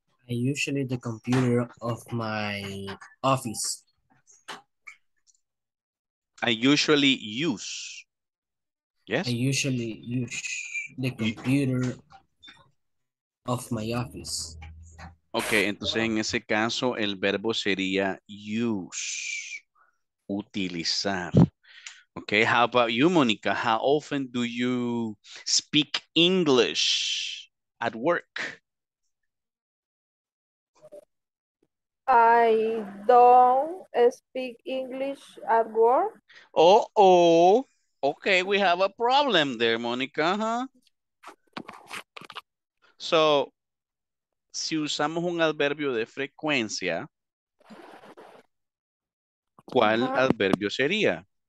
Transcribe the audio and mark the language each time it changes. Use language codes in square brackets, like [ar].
[en] I usually the computer of my office. I usually use, yes? I usually use the computer of my office. [es] Okay, entonces en ese caso el verbo sería use, utilizar. [en] Okay, how about you, Monica? How often do you speak English at work? I don't speak English at work. Oh, okay, we have a problem there, Monica, huh? [es] So, si usamos un adverbio de frecuencia, ¿cuál adverbio sería?